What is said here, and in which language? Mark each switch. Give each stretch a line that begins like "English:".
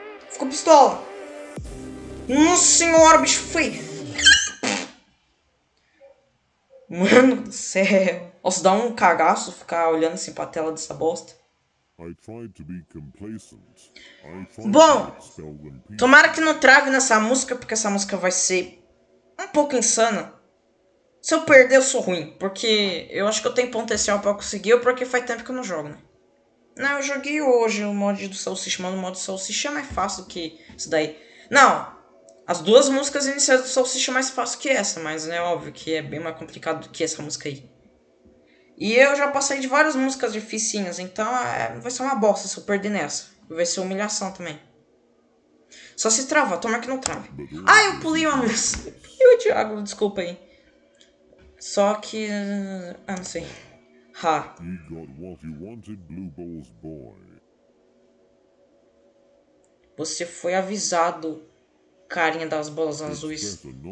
Portuguese: Ficou pistola. Nossa senhora, o bicho foi. Mano do céu. Nossa, dá um cagaço ficar olhando assim pra tela dessa bosta.
English: I tried to be complacent.
Portuguese: Bom, tomara que não trave nessa música, porque essa música vai ser um pouco insana. Se eu perder, eu sou ruim, porque eu acho que eu tenho potencial pra conseguir, porque faz tempo que eu não jogo, né? Não, eu joguei hoje o mod do Salsicha, mas o mod do Salsicha é mais fácil que isso daí. Não, as duas músicas iniciais do Salsicha é mais fácil que essa, mas é óbvio que é bem mais complicado do que essa música aí. E eu já passei de várias músicas dificinhas, então vai ser uma bosta se eu perder nessa. Vai ser humilhação também. Só se travar, toma que não trave. Ah, eu pulei uma música. E o Thiago, desculpa aí. Só que... Ah, não sei. Ha.
English: You got what you wanted, Blue Balls Boy.
Portuguese: Você foi avisado, carinha das bolas azuis.